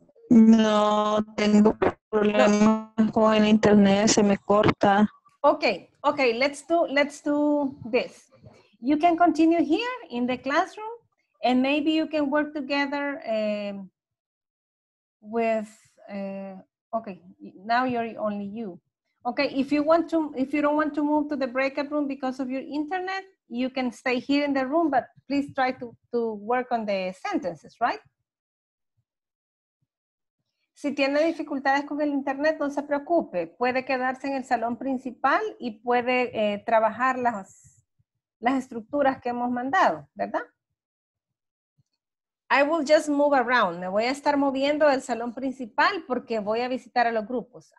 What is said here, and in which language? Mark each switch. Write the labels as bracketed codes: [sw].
[es] No, tengo problemas con el internet, se me corta. [en] Okay, okay, let's do this. You can continue here in the classroom and maybe you can work together okay, now you're only you. Okay, if you don't want to move to the breakout room because of your internet, you can stay here in the room, but please try to work on the sentences, right? [es] Si tiene dificultades con el internet, no se preocupe. Puede quedarse en el salón principal y puede trabajar las estructuras que hemos mandado, ¿verdad? [en] I will just move around. [es] Me voy a estar moviendo del salón principal porque voy a visitar a los grupos.